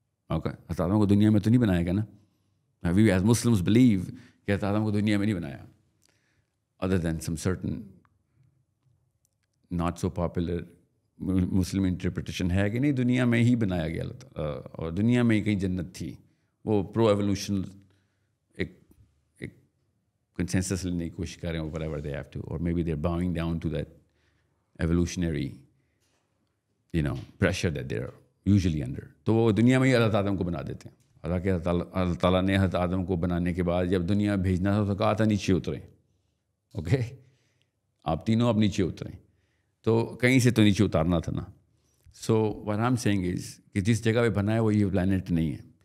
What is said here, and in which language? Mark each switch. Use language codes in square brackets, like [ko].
[ur] Okay, حضرت آدم کو دنیا میں تو نہیں بنایا گیا نا. [en] We as Muslims believe [ur] کہ حضرت آدم کو دنیا میں نہیں بنایا, [en] other than some certain not so popular Muslim interpretation [ur] ہے کہ نہیں دنیا میں ہی بنایا گیا اللہ تعالیٰ, اور دنیا میں ہی کہیں جنت تھی. وہ پرو ایولیوشن کنسنسس لینے کی کوشش کر رہے ہیں, [en] Whatever they have to, اور maybe they are bowing down to that evolutionary you know pressure that they are usually under. [ur] تو وہ دنیا میں ہی اللہ تعالیٰ کو بنا دیتے ہیں. حالانکہ اللہ تعالیٰ نے حضرت آدم کو بنانے کے بعد جب دنیا بھیجنا تھا تو کہا تھا نیچے اتریں. اوکے, آپ تینوں اب نیچے اتریں, تو کہیں سے تو نیچے اتارنا تھا نا. [en] so what I am seeing is [ur] کہ جس جگہ پہ بنا ہے وہ یہ پلانیٹ نہیں ہے.